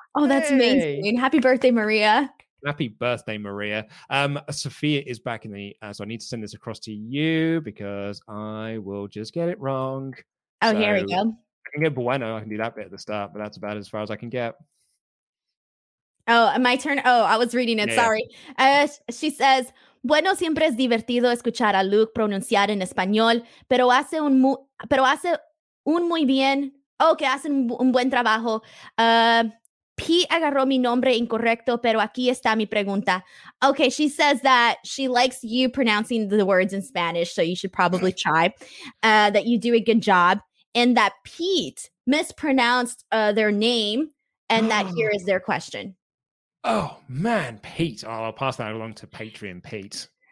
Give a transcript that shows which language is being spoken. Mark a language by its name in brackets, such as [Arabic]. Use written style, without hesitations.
[English] Oh, that's amazing. Happy birthday, Maria. Happy birthday, Maria. Sophia is back in the, so I need to send this across to you because I will just get it wrong. Oh, so, here we go. I can get Bueno. I can do that bit at the start, but that's about as far as I can get. Oh, my turn. Oh, I was reading it. Yeah. Sorry. She says, [Spanish] bueno, siempre es divertido escuchar a Luke pronunciar en español, pero hace un muy bien. Oh, que hace un buen trabajo. Pete agarró mi nombre incorrecto, pero aquí está mi pregunta. [English] Okay, she says that she likes you pronouncing the words in Spanish, so you should probably try, that you do a good job, and that Pete mispronounced their name, and that here is their question. Oh, man, Pete. Oh, I'll pass that along to Patreon Pete.